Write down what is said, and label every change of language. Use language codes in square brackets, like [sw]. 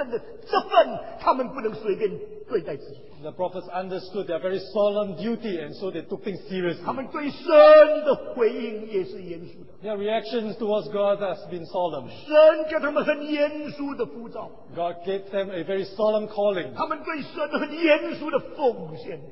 [zh] 所以这些先知知道他们的神圣的这份，他们不能随便对待自己。 [en] The prophets understood their very solemn duty, and so they took things seriously. [zh] 他们对神的回应也是严肃的。 [en] Their reactions towards God has been solemn. [zh] 神给他们很严肃的呼召。 [en] God gave them a very solemn calling. [zh] 他们对神很严肃的奉献。